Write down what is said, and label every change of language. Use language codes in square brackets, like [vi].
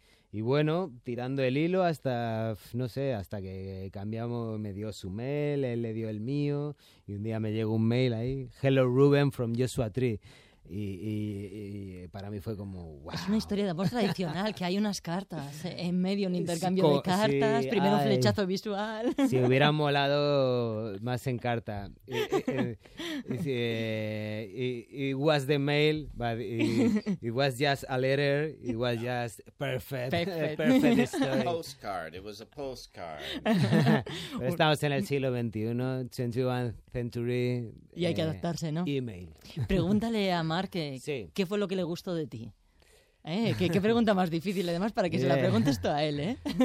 [es] Y bueno, tirando el hilo hasta, no sé, hasta que cambiamos, me dio su mail, él le dio el mío, y un día me llegó un mail ahí, [en] hello Ruben from Joshua Tree. [es] Y para mí fue como, wow. Es una historia de amor tradicional, que hay unas cartas en medio, un intercambio de cartas, sí, primero un flechazo visual. Si hubiera molado más en carta. [en] It was the mail, but it was just a letter, it was just perfect story. Postcard, it was a postcard. [es] Estamos en el siglo XXI, [en] 21st century. [es] Y hay que adaptarse, ¿no? [en] Email. [es] Pregúntale a Mark qué fue lo que le gustó de ti. ¿Qué pregunta más difícil? Además, para que se la preguntes tú a él,